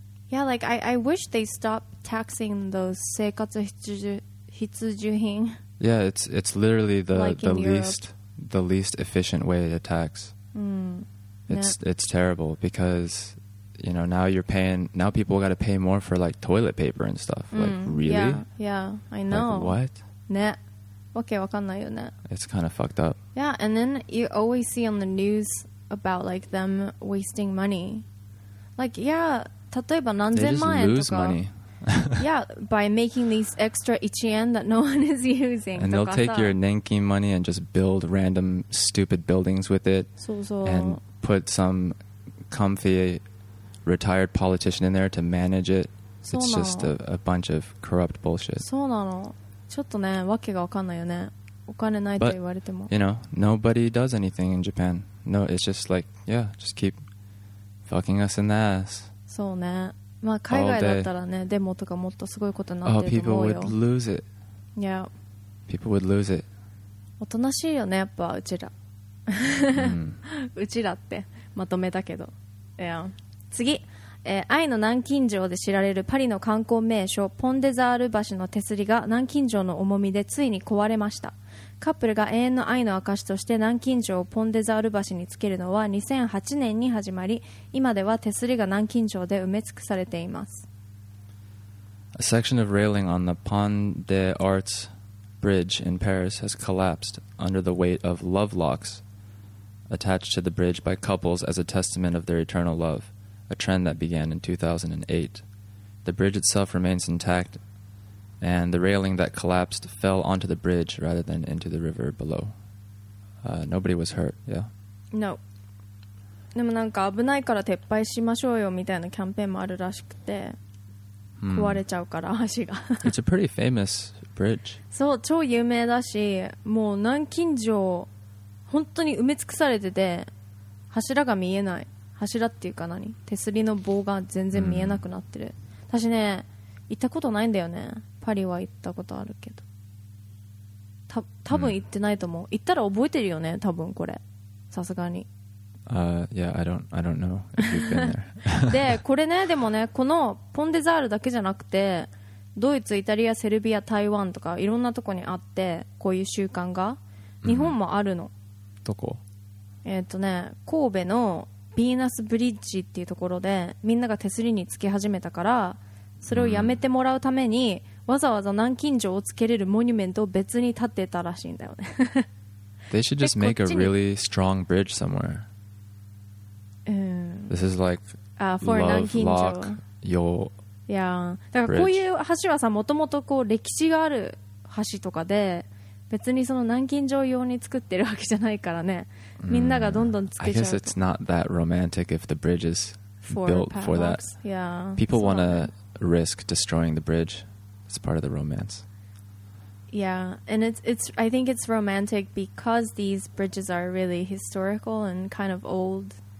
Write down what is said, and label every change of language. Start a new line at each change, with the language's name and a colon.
English: Yeah, like I wish they stopped taxing those 生活必需品 Yeah, it's literally the leastThe least efficient way to tax. It's terrible because, you know, now people got to pay more for like toilet paper and stuff. Like really? Yeah, I know. Like, what?
Japanese: ね、わけわかんないよね。
English: It's kind of fucked up. Yeah, and then you always see on the news about like them wasting money. Like yeah,
Japanese: 例えば何千万円とか。
English: They just lose money. Yeah, by making these extra 1 yen that no one is using. And they'll take your Nenkin money and just build random stupid buildings with it.
Japanese: そうそう。
English: And put some comfy retired politician in there to manage it. It's just a bunch of corrupt bullshit.
Japanese: そうなの。ちょっとね、わけがわかんないよね。お金ないって言われても。
English: But, you know, nobody does anything in Japan. No, it's just like, yeah, just keep fucking us in the ass.
Japanese: そうね。まあ、海外だったらねデモとかもっとすごいことになってると思うよ。
English: People would lose it. Yeah. People would lose it.
Japanese: おとなしいよねやっぱうちら。うちらってまとめたけど。
English: Yeah.
Japanese: 次、愛の南京錠で知られるパリの観光名所ポンデザール橋の手すりが南京錠の重みでついに壊れました。カップルが永遠の愛の証として南京錠をポンデザール橋につけるのは2008年に始まり、今では手すりが南京錠で埋め尽くされています。
English: A section of railing on the Pont des Arts bridge in Paris has collapsed under the weight of love locks attached to the bridge by couples as a testament of their eternal love, a trend that began in 2008. The bridge itself remains intact, and the railing that collapsed fell onto the bridge rather than into the river below. Nobody was hurt, yeah? No.
Japanese: でもなんか危ないから撤廃しましょうよみたいなキャンペーンもあるらしくて、壊れちゃうから橋が。
English: It's a pretty famous bridge.
Japanese: そう、超有名だし、もう南京錠、本当に埋め尽くされてて、柱が見えない。柱っていうか何？手すりの棒が全然見えなくなってる。私ね、行ったことないんだよね。パリは行ったことあるけど。多分行ってないと思う。行ったら覚えてるよね、多分これ。さすがに。
English: Yeah, I don't know if you've been there.
Japanese: で、これね、でもね、このポンデザールだけじゃなくて、ドイツ、イタリア、セルビア、台湾とか、いろんなとこにあって、こういう習慣が。日本もあるの。どこ？ね、神戸の、ヴィーナスブリッジっていうところでみんなが手すりにつき始めたからそれをやめてもらうためにわざわざ南京錠をつけれるモニュメントを別に建てたらしいんだよね。
English: They should just make a really strong bridge somewhere. This is like for love,
Japanese: 南京錠
English: lock, your yeah.
Japanese: だからこういう橋はさもともとこう歴史がある橋とかで別にその南京錠用に作ってるわけじゃないからね。みんながどんどんつけちゃう。
English: I guess it's not that romantic if the bridge is built for that. Yeah. People want to risk destroying the bridge. It's part of the romance. Yeah, and I think it's romantic because these bridges are really historical and kind of old.